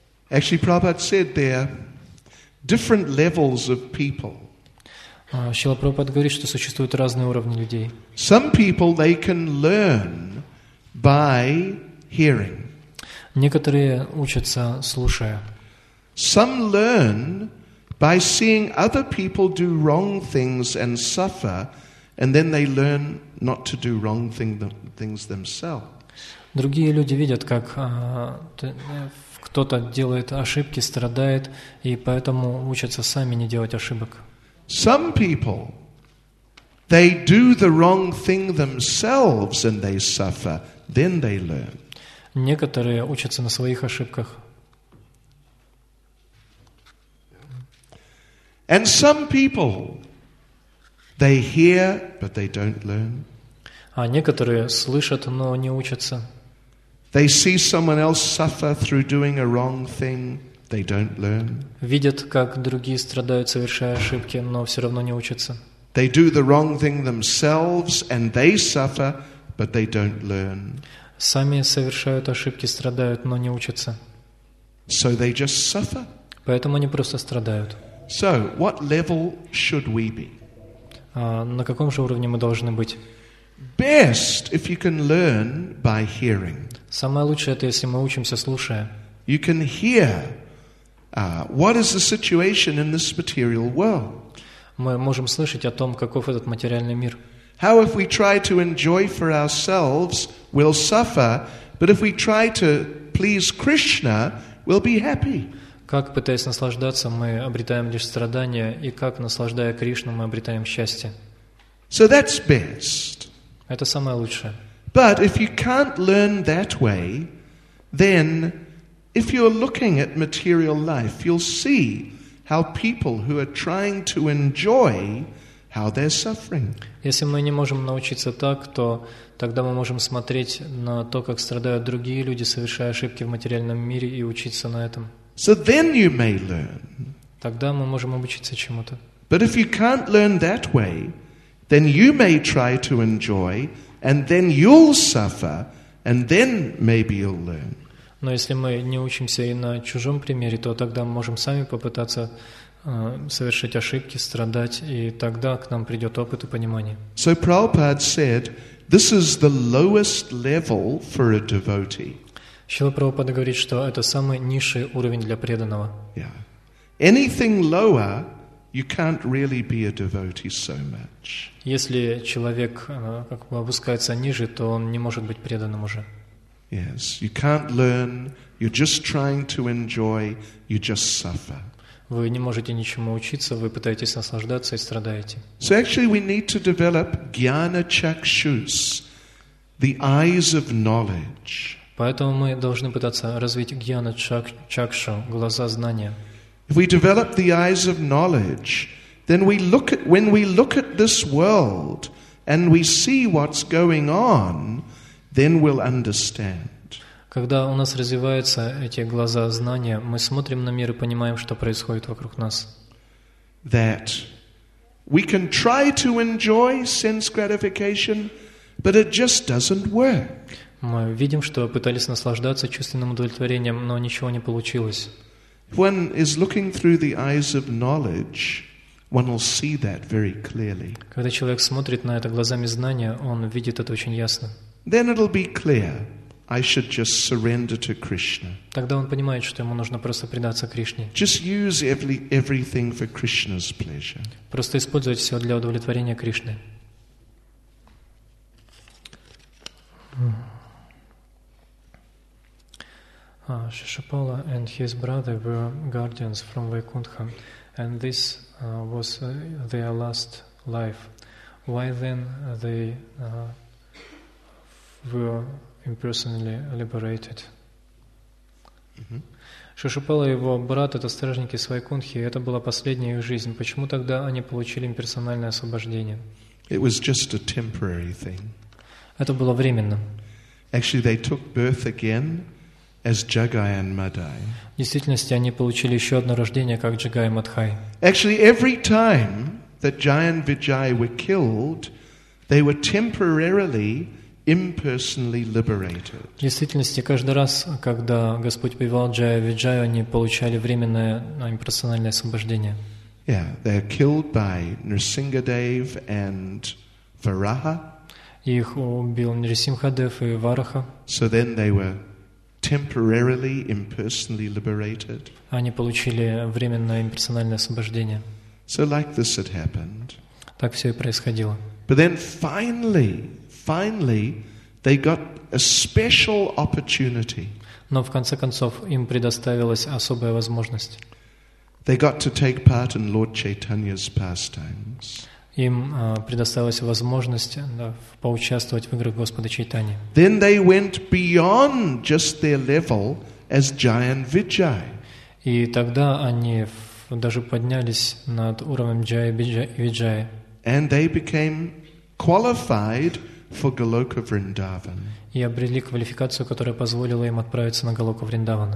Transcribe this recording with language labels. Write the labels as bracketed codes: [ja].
[en] Actually, Prabhupada said there are different levels of people. [ru] Шрила Прабхупада говорит, что существуют разные уровни людей. [en] Some people, they can learn by hearing. [ru] Некоторые учатся, слушая. [en] Some learn by seeing other people do wrong things and suffer, and then they learn not to do wrong things themselves. [ru] Другие люди видят, как кто-то делает ошибки, страдает, и поэтому учатся сами не делать ошибок. [en] Some people, they do the wrong thing themselves and they suffer, then they learn. [ru] Некоторые учатся на своих ошибках. [en] And some people, they hear, but they don't learn. [ru] А некоторые слышат, но не учатся. [en] They see someone else suffer through doing a wrong thing, they don't learn. [ru] Видят, как другие страдают, совершая ошибки, но все равно не учатся. [en] They do the wrong thing themselves and they suffer, but they don't learn. [ru] Сами совершают ошибки, страдают, но не учатся. [en] So they just suffer. [ru] Поэтому они просто страдают. [en] So, what level should we be? [ru] На каком же уровне мы должны быть? [en] Best if you can learn by hearing. [ru] Самое лучшее это если мы учимся слушая. [en] You can hear what is the situation in this material world. [ru] Мы можем слышать о том, каков этот материальный мир. [en] How if we try to enjoy for ourselves, we'll suffer, but if we try to please Krishna, we'll be happy. [ru] Как пытаясь наслаждаться, мы обретаем лишь страдания, и как наслаждая Кришну, мы обретаем счастье. [en] So that's best. [ru] Это самое лучшее. [en] But if you can't learn that way, then if you're looking at material life, you'll see how people who are trying to enjoy, how they're suffering. [ru] Если мы не можем научиться так, то тогда мы можем смотреть на то, как страдают другие люди, совершая ошибки в материальном мире, и учиться на этом. [en] So then you may learn. [ru] Тогда мы можем обучиться чему-то. [en] But if you can't learn that way, then you may try to enjoy, and then you'll suffer, and then maybe you'll learn. [ru] Но если мы не учимся и на чужом примере, то тогда мы можем сами попытаться совершить ошибки, страдать, и тогда к нам придет опыт и понимание. [en] So Prabhupada said, this is the lowest level for a devotee. [ru] Шрила Прабхупада говорит, что это самый низший уровень для преданного. [en] Yeah. Anything lower, you can't really be a devotee so much. [ru] Если человек как бы опускается ниже, то он не может быть преданным уже. [en] Yes, you can't learn. You're just trying to enjoy. You just suffer. [ru] Вы не можете ничему учиться. Вы пытаетесь наслаждаться и страдаете. [en] So actually, we need to develop jnana chakshus, the eyes of knowledge. [ru] Поэтому мы должны пытаться развить jnana chakshu, глаза знания. [en] If we develop the eyes of knowledge, then when we look at this world and we see what's going on, then we'll understand. [ru] Когда у нас развиваются эти глаза знания, мы смотрим на мир и понимаем, что происходит вокруг нас. [en] That we can try to enjoy sense gratification, but it just doesn't work. [ru] Мы видим, что пытались наслаждаться чувственным удовлетворением, но ничего не получилось. [en] One is looking through the eyes of knowledge. One will see that very clearly. [ru] Когда человек смотрит на это глазами знания, он видит это очень ясно. [en] Then it'll be clear. I should just surrender to Krishna. [ru] Тогда он понимает, что ему нужно просто предаться Кришне. [en] Just use everything for Krishna's pleasure. [ru] Просто использовать все для удовлетворения Кришны. [en] Шишапала and his brother were guardians from Vaikuntha, and this was their last life. Why then they were impersonally liberated? [ru] Шишапала и его брат — это стражники с Вайкунтхи, и это была последняя их жизнь. Почему тогда они получили имперсональное освобождение? [en] It was just a temporary thing. [ru] Это было временно. [en] Actually, they took birth again as Jagai and Madai. [ru] В действительности, они получили еще одно рождение, как Джагай и Мадхай. [en] Actually, every time that Jai and Vijay were killed, they were temporarily impersonally liberated. [ru] В действительности, каждый раз, когда Господь убивал Джая и Виджая, они получали временное имперсональное освобождение. [en] Yeah, they are killed by Nrisimhadev and Varaha. [ru] Их убил Нрисимхадев и Вараха. [en] So then they were temporarily impersonally liberated. [ru] Они получили временное имперсональное освобождение. [en] So like this had happened. [ru] Так все и происходило. [en] But then finally they got a special opportunity. [ru] Но в конце концов им предоставилась особая возможность. [en] They got to take part in Lord Chaitanya's pastimes. [ru] Им предоставилась возможность, да, поучаствовать в играх Господа Чайтани. [en] Then they went beyond just their level as Jai and Vijay. [ru] И тогда они даже поднялись над уровнем Джая и Виджая. [en] And they became qualified for Goloka Vrindavan. [ru] И обрели квалификацию, которая позволила им отправиться на Голоку Вриндавана.